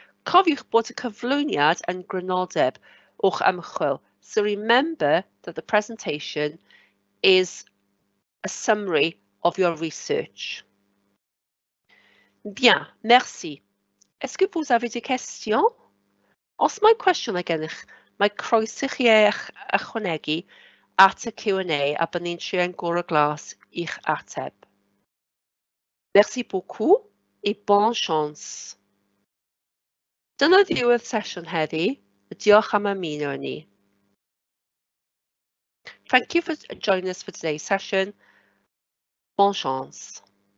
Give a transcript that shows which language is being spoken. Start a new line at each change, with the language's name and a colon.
Welsh: Cofiwch bod y cyflwyniad yn grynodeb o'ch ymchwil.
English: So remember that the presentation is a summary of your research.
French: Bien, merci. Est-ce que vous avez des questions?
Welsh: Os mae cwestiwn ag ennych, mae croeso chi eich ychwanegu at y Q&A a bydd ni'n trio yn gorau glas i'ch ateb.
French: Merci beaucoup et bonne chance.
Welsh: Dyna ddiwedd sesiwn heddi. Diolch am ymuno â ni.
English: Thank you for joining us for today's session.
French: Bonne chance.